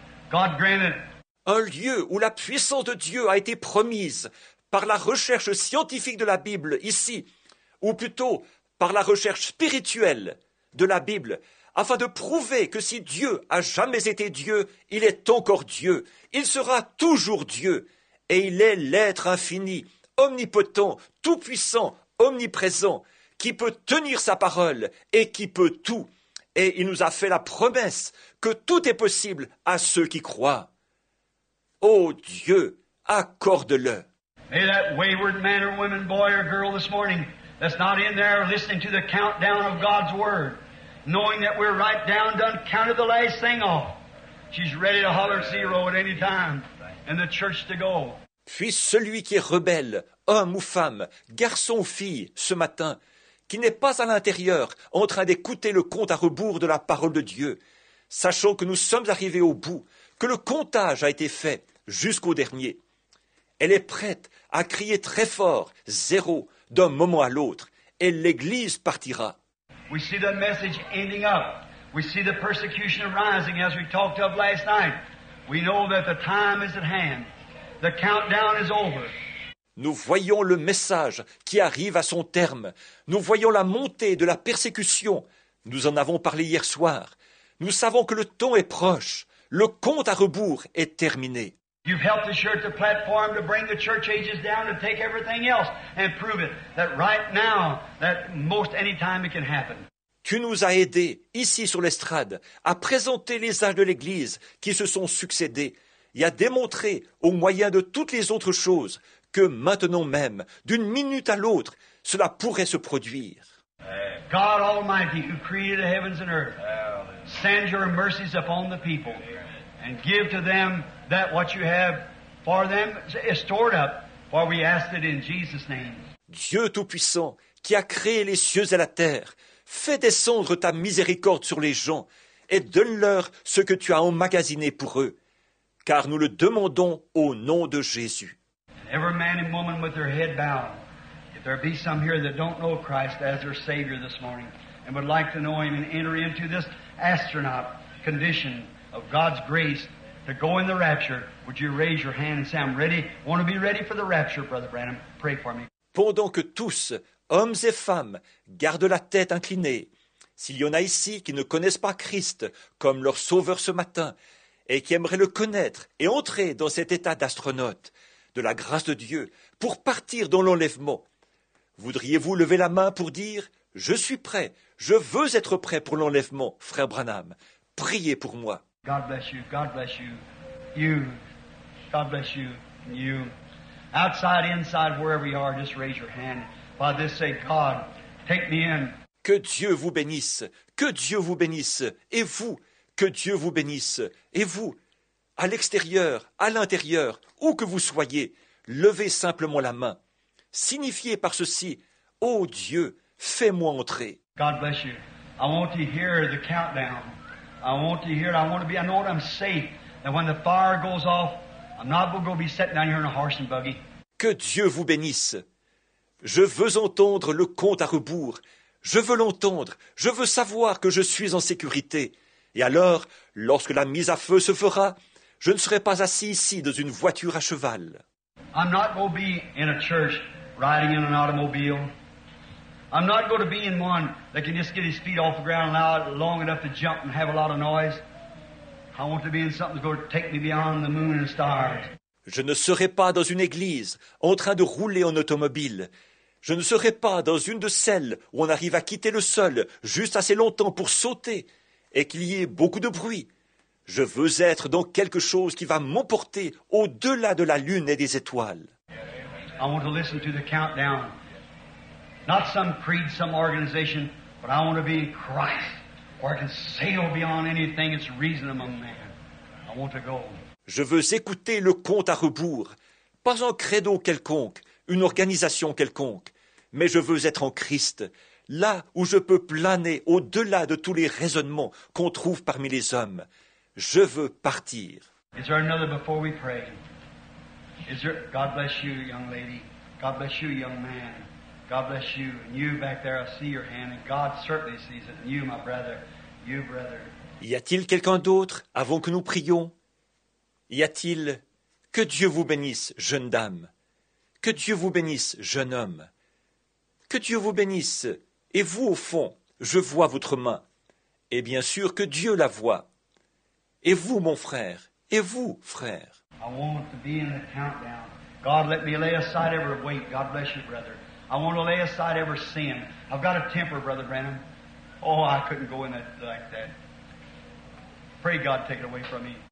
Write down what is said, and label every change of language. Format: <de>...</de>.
<en>God grant it.</en> <fr>Un lieu où la puissance de Dieu a été promise par la recherche scientifique de la Bible ici, ou plutôt par la recherche spirituelle de la Bible, afin de prouver que si Dieu a jamais été Dieu, il est encore Dieu, il sera toujours Dieu, et il est l'être infini, omnipotent, tout-puissant, omniprésent, qui peut tenir sa parole et qui peut tout. Et il nous a fait la promesse que tout est possible à ceux qui croient. Ô Dieu, accorde-le.</fr> <en>May that wayward man or woman, boy or girl this morning that's not in there listening to the countdown of God's Word, knowing that we're right down, done, counted the last thing off. She's ready to holler zero at any time and the church to go.</en> <fr>Puis celui qui est rebelle, homme ou femme, garçon ou fille, ce matin, qui n'est pas à l'intérieur en train d'écouter le compte à rebours de la parole de Dieu, sachant que nous sommes arrivés au bout, que le comptage a été fait jusqu'au dernier. Elle est prête à crier très fort, zéro, d'un moment à l'autre, et l'Église partira.</fr> <en>We see the message ending up. We see the persecution arising as we talked of last night. We know that the time is at hand. The countdown is over.</en> <fr>Nous voyons le message qui arrive à son terme. Nous voyons la montée de la persécution. Nous en avons parlé hier soir. Nous savons que le temps est proche. Le compte à rebours est terminé.</fr> <en>You've helped the church, the platform, to bring the church ages down, to take everything else and prove it, that right now, that most any time it can happen.</en> <fr>Tu nous as aidés, ici sur l'estrade, à présenter les âges de l'Église qui se sont succédés et à démontrer, au moyen de toutes les autres choses, que maintenant même, d'une minute à l'autre, cela pourrait se produire.</fr> <en>God Almighty, who created the heavens and earth, send your mercies upon the people and give to them that what you have for them is stored up, for we ask it in Jesus' name.</en> <fr>Dieu Tout-Puissant, qui a créé les cieux et la terre, fais descendre ta miséricorde sur les gens et donne-leur ce que tu as emmagasiné pour eux, car nous le demandons au nom de Jésus.</fr> <en>Every man and woman with their head bowed, if there be some here that don't know Christ as their Savior this morning and would like to know Him and enter into this astronaut condition of God's grace to go in the rapture, would you raise your hand and say, I'm ready, want to be ready for the rapture, Brother Branham, pray for me.</en> <fr>Pendant que tous, hommes et femmes, gardent la tête inclinée, s'il y en a ici qui ne connaissent pas Christ comme leur sauveur ce matin et qui aimeraient le connaître et entrer dans cet état d'astronaute de la grâce de Dieu pour partir dans l'enlèvement, voudriez-vous lever la main pour dire, je suis prêt, je veux être prêt pour l'enlèvement, Frère Branham, priez pour moi.</fr> <en>God bless you. God bless you. You. God bless you. You. Outside, inside, wherever you are, just raise your hand. Father, just say, God, take me in.</en> <fr>Que Dieu vous bénisse. Que Dieu vous bénisse. Et vous. Que Dieu vous bénisse. Et vous. À l'extérieur, à l'intérieur, où que vous soyez, levez simplement la main. Signifiez par ceci, ô Dieu, fais-moi entrer.</fr> <en>God bless you. I want to hear the countdown. I want to hear it. I want to be. I know that I'm safe. That when the fire goes off, I'm not going to be sitting down here in a horse and buggy.</en> <fr>Que Dieu vous bénisse. Je veux entendre le compte à rebours. Je veux l'entendre. Je veux savoir que je suis en sécurité. Et alors, lorsque la mise à feu se fera, je ne serai pas assis ici dans une voiture à cheval.</fr> <en>I'm not going to be in a church riding in an automobile. I'm not going to be in one that can just get his feet off the ground loud long enough to jump and have a lot of noise. I want to be in something that's going to take me beyond the moon and stars.</en> <fr>Je ne serai pas dans une église en train de rouler en automobile. Je ne serai pas dans une de celles où on arrive à quitter le sol juste assez longtemps pour sauter et qu'il y ait beaucoup de bruit. Je veux être dans quelque chose qui va m'emporter au-delà de la lune et des étoiles.</fr> <en>I want to listen to the countdown. Not some creed, some organization, but I want to be in Christ, where I can sail beyond anything that's reason among men. I want to go.</en> <fr>Je veux écouter le compte à rebours, pas un credo quelconque, une organisation quelconque, mais je veux être en Christ, là où je peux planer au-delà de tous les raisonnements qu'on trouve parmi les hommes. Je veux partir.</fr> <en>Is there another before we pray? Is there? God bless you, young lady. God bless you, young man. God bless you. And you back there, I see your hand. And God certainly sees it. And you, my brother. You, brother.</en> <fr>Y a-t-il quelqu'un d'autre avant que nous prions? Y a-t-il? Que Dieu vous bénisse, jeune dame. Que Dieu vous bénisse, jeune homme. Que Dieu vous bénisse. Et vous, au fond, je vois votre main. Et bien sûr que Dieu la voit. Et vous, mon frère, et vous, frère.</fr> <en>I want to be in the countdown. God, let me lay aside every weight. God bless you, brother. I want to lay aside every sin. I've got a temper, Brother Branham. Oh, I couldn't go in that like that. Pray God, take it away from me.</en>